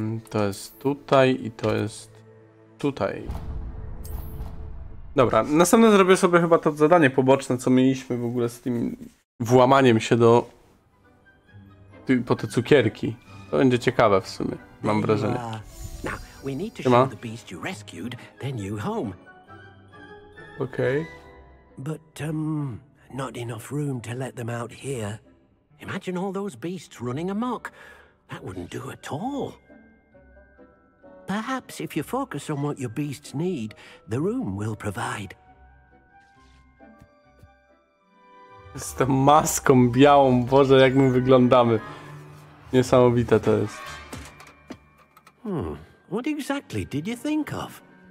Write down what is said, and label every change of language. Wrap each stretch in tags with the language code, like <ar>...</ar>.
<pl>To jest tutaj i to jest tutaj. Dobra, następne zrobię sobie chyba to zadanie poboczne, co mieliśmy w ogóle z tym włamaniem się do po te cukierki. To będzie ciekawe w sumie, mam wrażenie.</pl> <en>We need to show the beast you rescued their new home. Okay. But not enough room to let them out here. Imagine all those beasts running amok. That wouldn't do at all. Perhaps if you focus on what your beasts need, the room will provide.</en> <pl>Z tą maską białą, Boże, jak my wyglądamy. Niesamowite to jest.</pl> <en>What exactly did you think of?</en>